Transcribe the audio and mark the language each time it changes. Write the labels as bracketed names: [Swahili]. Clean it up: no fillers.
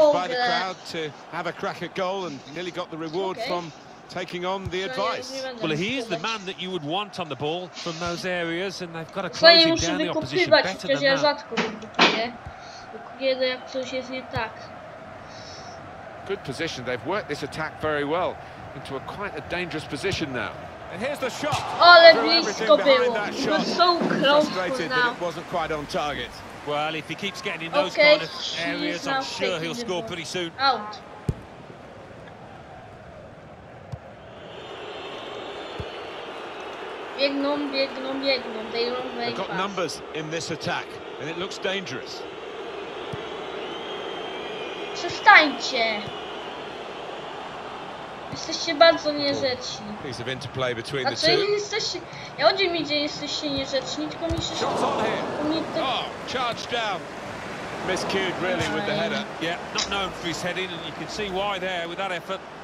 [English] To have a crack at goal and nearly got the reward okay. From taking on the advice. Well, he is the man that you would want on the ball from those areas, and they've got to close him down the opposition better than that. [Polish] Ja rzadko wykupuję, jak coś jest nie tak. [English] Good position. They've worked this attack very well into a quite a dangerous position now. And here's the shot. [Polish] Ale blisko było. [English] He was so close now. It wasn't quite on target. Well, if he keeps getting in those kind of areas, I'm sure he'll score pretty soon. Out. They've got numbers in this attack, and it looks dangerous. [Polish] Przestańcie. Jesteście bardzo niezręczni. [English] Piece of interplay between the [Polish] two. A co jesteście? Ja chodzi mi, że jesteście niezręczni, tylko mi się [English] szkoda. Oh, charged down. Miscued really with the header. Yeah, not known for his heading, and you can see why there with that effort.